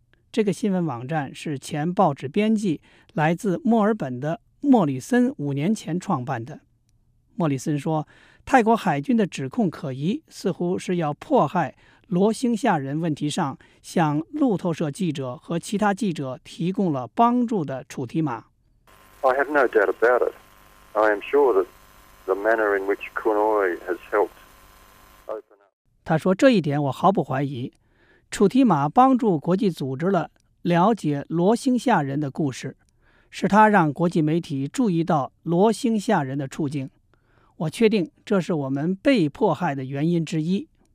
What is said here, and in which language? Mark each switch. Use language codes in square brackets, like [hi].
[zh] 这个新闻网站是前报纸编辑来自墨尔本的莫里森5年前创办的。莫里森说，泰国海军的指控可疑，似乎是要迫害罗兴亚人问题上向路透社记者和其他记者提供了帮助的楚提马。 [en] I have no doubt about it. I am sure that the manner in which Kunoi has helped open up. [zh] 他说这一点我毫不怀疑。楚提马帮助国际组织了了解罗兴亚人的故事，是他让国际媒体注意到罗兴亚人的处境。我确定这是我们被迫害的原因之一。